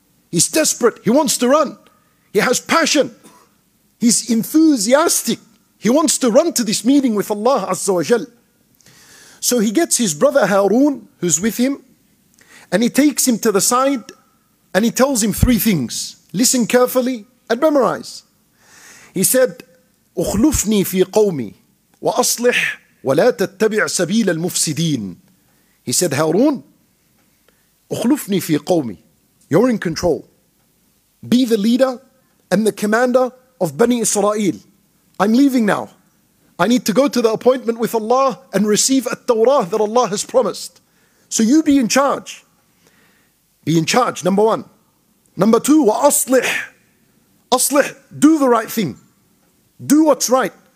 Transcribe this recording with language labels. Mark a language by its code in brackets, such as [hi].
[en] He's desperate. He wants to run. He has passion. He's enthusiastic. He wants to run to this meeting with Allah Azza wa Jal. So he gets his brother Harun, who's with him, and he takes him to the side and he tells him three things. Listen carefully and memorize. He said, [ar] أخلفني في قومي وأصلح ولا تتبع سبيل المفسدين. [en] He said, [ar] Harun, أخلفني في قومي. [en] You're in control. Be the leader and the commander of Bani Israel. I'm leaving now. I need to go to the appointment with Allah and receive at-Tawrah that Allah has promised. So you be in charge. Be in charge, number one. Number two, [ar] وأصلح. أصلح, [en] do the right thing. Do what's right.